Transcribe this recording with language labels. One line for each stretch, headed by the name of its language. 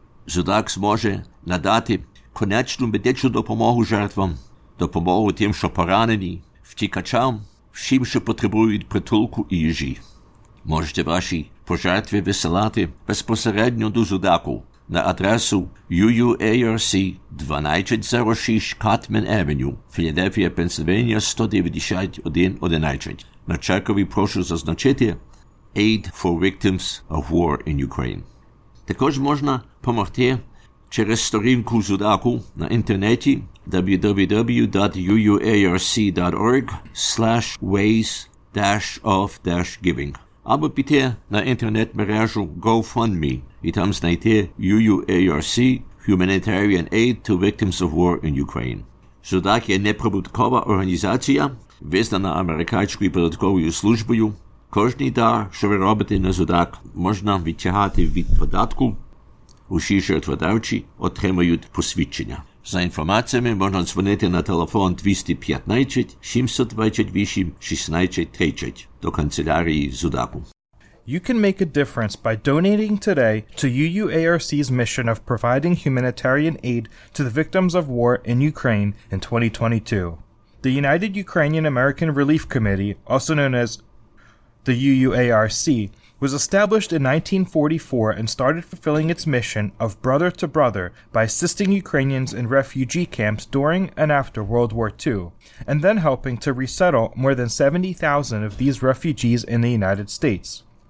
Ukrainian: ЗУДАК зможе надати конечну медичну допомогу жертвам, допомогу тим, що поранені, втікачам, всім, що потребують притулку і їжі. Можете ваші пожертви висилати безпосередньо до ЗУДАКу на адресу UUARC 1206 Cutman Avenue, Філадельфія, Пенсильванія 19111. На чекові прошу зазначити Aid for Victims of War in Ukraine. Також можна допомогти через сторінку ЗУДАКу на інтернеті www.uuarc.org/ways-of-giving. Або піти на інтернет-мережу GoFundMe і там знайти UUARC Humanitarian Aid to Victims of War in Ukraine. ЗУДАК є неприбуткова організація, визнана Американською податковою службою. Кожний дар, що ви робите на ЗУДАК, можна відтягати від податку. Усі жертводавці отримають посвідчення. За інформаціями можна дзвонити на телефон 215-728-1630 до канцелярії ЗУДАКу.
English: You can make a difference by donating today to UUARC's mission of providing humanitarian aid to the victims of war in Ukraine in 2022. The United Ukrainian American Relief Committee, also known as the UUARC, was established in 1944 and started fulfilling its mission of brother to brother by assisting Ukrainians in refugee camps during and after World War II, and then helping to resettle more than 70,000 of these refugees in the United States.